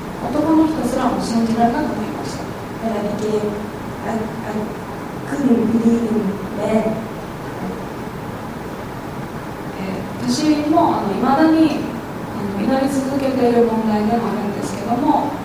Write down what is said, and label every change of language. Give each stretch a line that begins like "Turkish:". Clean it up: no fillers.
Japanese: 男の人すらも信じられなくなりました。
English: And I became I couldn't believe in men.
Japanese: 私も未だに祈り続けている問題でもあるんですけども、